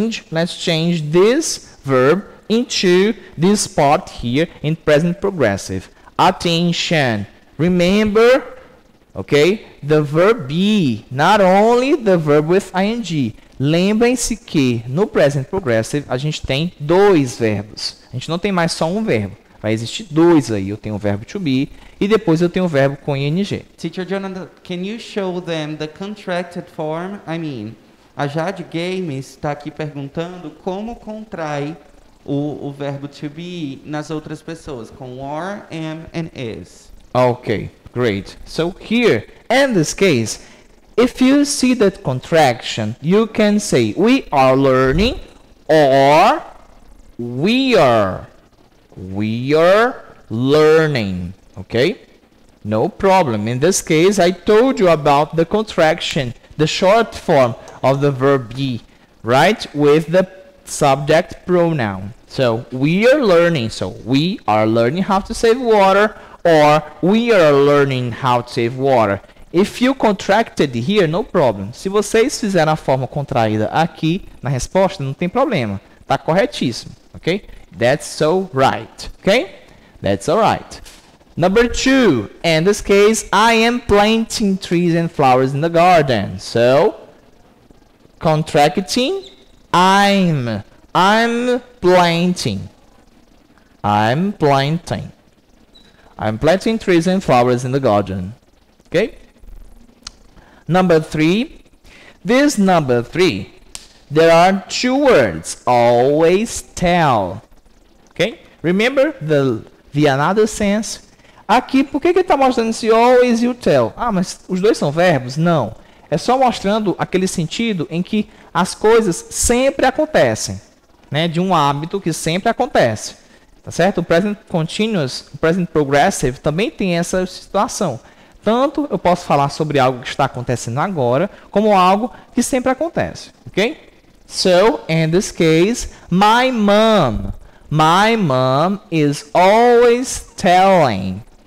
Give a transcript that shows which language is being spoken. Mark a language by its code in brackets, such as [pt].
[en] Let's change this verb into this part here in present progressive. Attention. Remember, okay, the verb be, not only the verb with ing. [pt] Lembrem-se que no present progressive a gente tem dois verbos. A gente não tem mais só um verbo. Vai existir dois aí. Eu tenho o verbo to be e depois eu tenho o verbo com ing. [en] Teacher Jonathan, can you show them the contracted form? [pt] I mean, a Jade Games está aqui perguntando como contrai o verbo to be nas outras pessoas, com are, am, and is. [en] Okay, great. So here, in this case, if you see that contraction, you can say we are learning or we are. We are learning, okay? No problem. In this case, I told you about the contraction, the short form of the verb be, right? With the subject pronoun. So, we are learning. So, we are learning how to save water, or we are learning how to save water. If you contracted here, no problem. [pt] Se vocês fizeram a forma contraída aqui na resposta, não tem problema. Tá corretíssimo, ok? [en] That's so right, okay? That's all right. Number two, in this case, I am planting trees and flowers in the garden. So, contracting, I'm planting trees and flowers in the garden, okay? Number three, this number three, there are two words, always tell. Okay? Remember the another sense? [pt] Aqui, por que ele está mostrando esse always e o tell? Ah, mas os dois são verbos? Não. É só mostrando aquele sentido em que as coisas sempre acontecem. Né? De um hábito que sempre acontece. Tá certo? O present continuous, o present progressive, também tem essa situação. Tanto eu posso falar sobre algo que está acontecendo agora, como algo que sempre acontece. [en] Ok? So, in this case, My mom is always telling.